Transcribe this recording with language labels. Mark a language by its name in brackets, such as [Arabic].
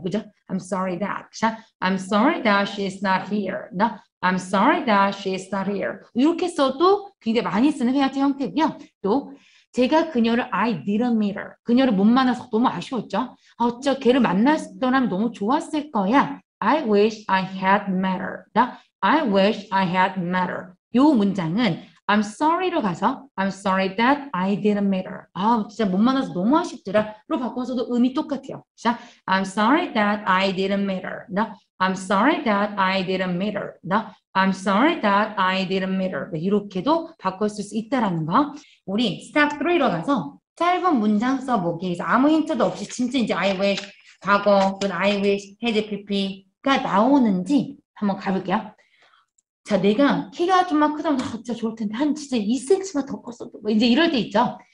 [Korean] 그죠? [English] I'm sorry that. 자, I'm sorry that she's not here. 나 I'm sorry that she's not here. [Korean] 이렇게 써도 굉장히 많이 쓰는 회화체 형태고요. 또 제가 그녀를 [English] I didn't meet her. [Korean] 그녀를 못 만나서 너무 아쉬웠죠? 어쩌 걔를 만났더라면 너무 좋았을 거야. [English] I wish I had met her. 나 I wish I had met her. [Korean] 이 문장은 I'm sorry로 가서 [English] I'm sorry that I didn't meet her. [Korean] 아, 진짜 못 만나서 너무 아쉽더라. 로 바꿔서도 의미 똑같아요. [English] 자, I'm sorry that I didn't meet her. 나 I'm sorry that I didn't meet her. 나 I'm sorry that I didn't meet her. [Korean] 이렇게도 바꿨을 수 있다라는 거. 우리 step 3로 가서 짧은 문장 써보기. 그래서 아무 힌트도 없이 진짜 이제 I wish 과거 혹은 I wish had PP가 나오는지 한번 가볼게요. 자, 내가 키가 좀만 크다면 아, 진짜 좋을 텐데 한 진짜 2cm만 더 컸어도 뭐 이제 이럴 때 있죠.